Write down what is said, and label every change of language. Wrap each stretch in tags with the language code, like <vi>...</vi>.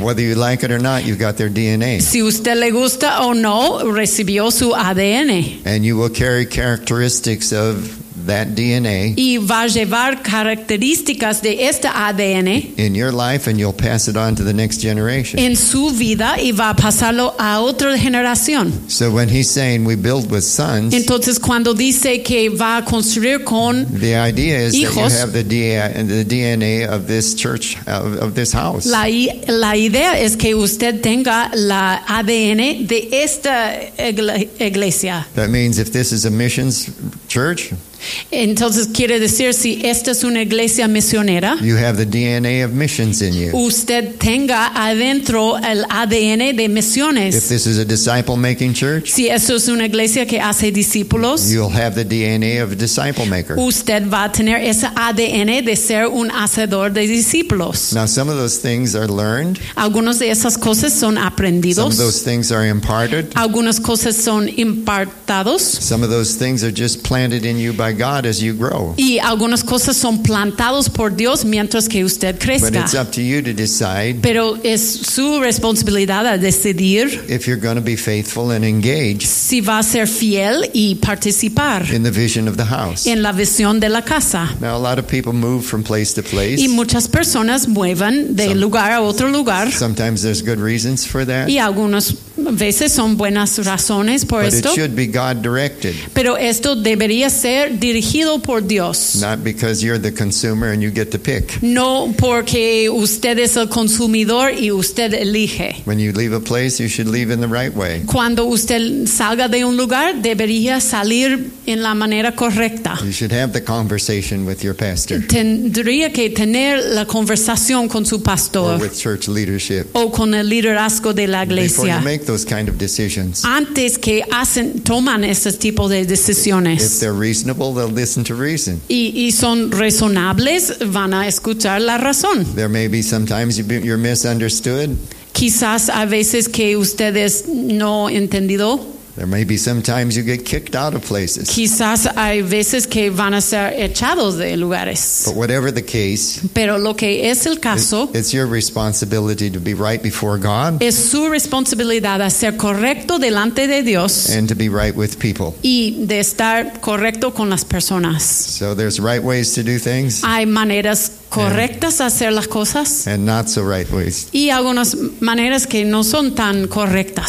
<en>Whether you like it or not, you've got their DNA.</en> <es>Si usted le gusta o no, recibió su ADN.</es> <en>And you will carry characteristics of that DNA.</en> <es>Y va a llevar características de este ADN</es> <en>in your life, and you'll pass it on to the next generation.</en> <es>En su vida y va a pasarlo a otra generación.</es> <en>So when he's saying we build with sons,</en> <es>entonces cuando dice que va a construir con</es> <en>the idea is</en> <es>hijos,</es> <en>that you have the DNA of this church, of this house.</en> <es>La idea es que usted tenga la ADN de esta iglesia.</es> <en>That means if this is a missions church,</en> <es>entonces quiere decir si esta es una iglesia misionera,</es> <en>you have the DNA of missions in you.</en> <es>Usted tenga adentro el ADN de misiones.</es> <en>If this is a disciple making church,</en> <es>si esto es una iglesia que hace discípulos,</es> <en>you'll have the DNA of a disciple maker.</en> <es>Usted va a tener ese ADN de ser un hacedor de discípulos.</es> <en>Now some of those things are learned.</en> <es>Algunas de esas cosas son aprendidos.</es> <en>Some of those things are imparted.</en> <es>Algunas cosas son impartados.</es> <en>Some of those things are just planted in you by God as you grow.</en> <es>Y algunas cosas son plantados por Dios mientras que usted crezca.</es> <en>But it's up to you to decide.</en> <es>Pero es su responsabilidad a decidir.</es> <en>If you're going to be faithful and engage.</en> <es>Si va a ser fiel y participar.</es> <en>In the vision of the house.</en> <es>En la visión de la casa.</es> <en>Now a lot of people move from place to place.</en> <es>Y muchas personas mueven de lugar a otro lugar.</es> <en>Sometimes there's good reasons for that.</en> <es>Y algunas veces son buenas razones por</es> <en>but</en> <es>esto.</es> <en>But it should be God directed.</en> <es>Pero esto debería ser dirigido por Dios.</es> <en>Not because you're the consumer and you get to pick.</en> <es>No porque usted es el consumidor y usted elige.</es> <en>When you leave a place, you should leave in the right way.</en> <es>Cuando usted salga de un lugar, debería salir en la manera correcta.</es> <en>You should have the conversation with your pastor.</en> <es>Tendría que tener la conversación con su pastor.</es> <en>Or with church leadership.</en> <es>O con el liderazgo de la iglesia.</es> <en>Before you make those kind of decisions.</en> <es>Antes que hacen, toman ese tipo de decisiones.</es> <en>If they're reasonable, they'll listen to reason.</en> <es>Y son razonables, van a escuchar la razón.</es> <en>There may be sometimes you're misunderstood.</en> <es>Quizás a veces que ustedes no entendido.</es> <en>There may be sometimes you get kicked out of places.</en> <es>Quizás hay veces que van a ser echados de lugares.</es> <en>But whatever the case,</en> <es>pero lo que es el caso,</es> <en>it's your responsibility to be right before God.</en> <es>Es su responsabilidad a ser correcto delante de Dios.</es> <en>And to be right with people.</en> <es>Y de estar correcto con las personas.</es> <en>So there's right ways to do things.</en> <es>Hay maneras correctas a hacer las cosas.</es> <en>And not so right ways.</en> <es>Y algunas maneras que no son tan correctas.</es>